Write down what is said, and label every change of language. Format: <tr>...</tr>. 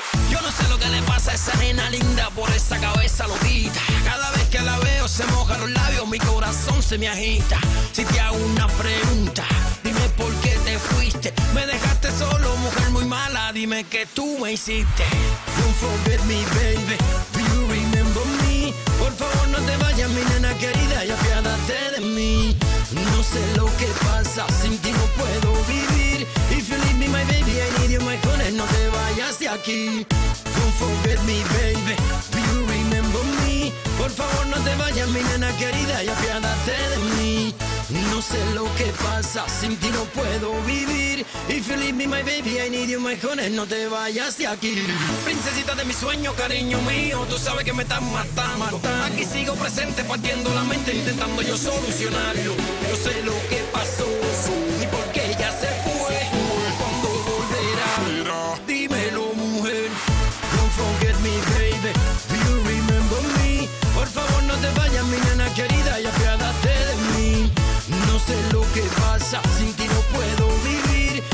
<es>Yo no sé lo que le pasa a esa nena linda por esa cabeza lodita. Cada vez que la veo se moja los labios, mi corazón se me agita. Si te hago una pregunta, dime por qué te fuiste. Me dejaste solo, mujer muy mala, dime qué tú me hiciste.</es> <en>Don't forget me, baby, do you remember me?</en> <es>Por favor no te vayas, mi nena querida, y apiádate de mí. No sé lo que pasa, sin ti no puedo vivir.</es> <en>If you leave me, my baby, I need you, my honey,</en> <es>no te vayas de aquí.</es> <en>Don't forget me, baby, do you remember me?</en> <es>Por favor no te vayas, mi nena querida, y apiádate de mí. No sé lo que pasa, sin ti no puedo vivir.</es> <en>If you leave me, my baby, I need you, my honey,</en> <es>no te vayas de aquí. Princesita de mi sueño, cariño mío, tú sabes que me estás matando. Aquí sigo presente, partiendo la mente, intentando yo solucionarlo. No sé lo que pasó, ni por qué ella se fue. ¿Cuándo volverá? Dímelo, mujer.</es> <en>Don't forget me, baby, do you remember me?</en> <es>Por favor, no te vayas, mi nena querida, y apiádate de mí. No sé lo que pasa, sin ti no puedo vivir.</es>